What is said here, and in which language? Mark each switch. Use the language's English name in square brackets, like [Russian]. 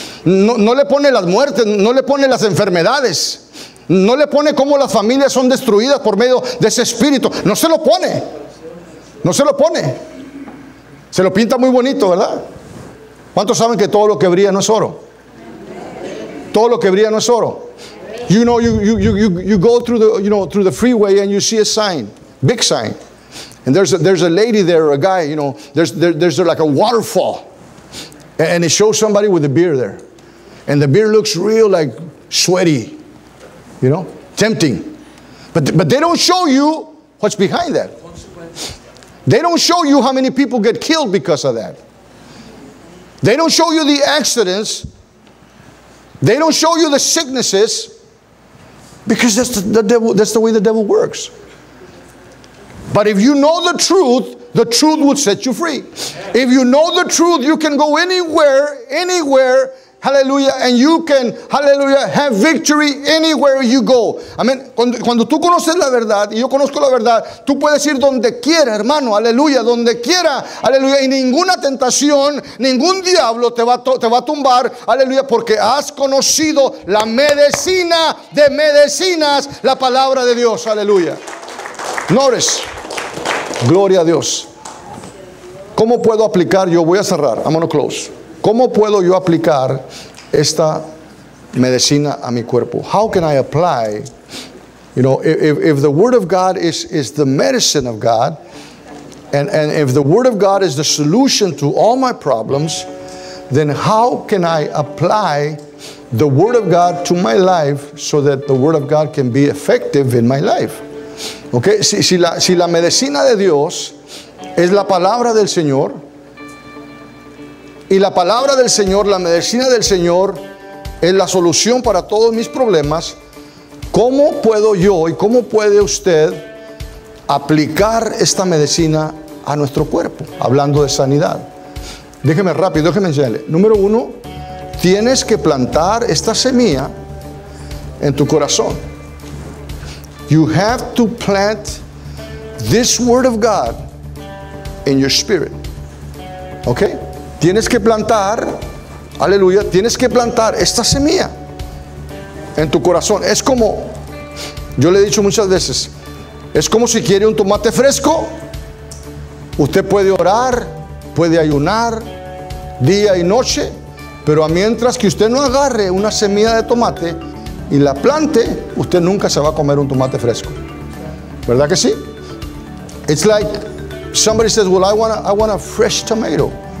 [Spanish] No le pone las muertes. No le pone las enfermedades. No le pone cómo las familias son destruidas por medio de ese espíritu. No se lo pone. No se lo pone. Se lo pinta muy bonito, ¿verdad? ¿Cuántos saben que todo lo que brilla no es oro? Todo lo que brilla no es oro. [English] You know, you go through the, you know, through the freeway and you see a sign, big sign. And there's a lady there, a guy, you know, there's like a waterfall. And it shows somebody with a beer there. And the beer looks real like sweaty. You know, tempting. But they don't show you what's behind that. They don't show you how many people get killed because of that. They don't show you the accidents. They don't show you the sicknesses. Because that's the devil, that's the way the devil works. But if you know the truth will set you free. If you know the truth, you can go anywhere, hallelujah, and you can, hallelujah, have victory anywhere you go. Amen. [Spanish] Cuando tú conoces la verdad, y yo conozco la verdad, tú puedes ir donde quiera, hermano, aleluya, donde quiera, aleluya, y ninguna tentación, ningún diablo te va a tumbar, aleluya, porque has conocido la medicina de medicinas, la palabra de Dios, aleluya. Nores, gloria a Dios. ¿Cómo puedo aplicar? Yo voy a cerrar, [English] I'm gonna close. [Spanish] ¿Cómo puedo yo aplicar esta medicina a mi cuerpo? [English] How can I apply, you know, if the word of God is the medicine of God, and if the word of God is the solution to all my problems, then how can I apply the word of God to my life so that the word of God can be effective in my life? [Spanish] Okay, si la medicina de Dios es la palabra del Señor, y la palabra del Señor, la medicina del Señor, es la solución para todos mis problemas, ¿cómo puedo yo y cómo puede usted aplicar esta medicina a nuestro cuerpo? Hablando de sanidad. Déjeme rápido, déjeme enseñarle. Número uno, tienes que plantar esta semilla en tu corazón. [English] You have to plant this word of God in your spirit. Okay? [Spanish] Tienes que plantar, aleluya, tienes que plantar esta semilla en tu corazón. Es como, yo le he dicho muchas veces, es como si quiere un tomate fresco. Usted puede orar, puede ayunar día y noche, pero mientras que usted no agarre una semilla de tomate y la plante, usted nunca se va a comer un tomate fresco. ¿Verdad que sí? [English] It's like somebody says, well, I want a fresh tomato.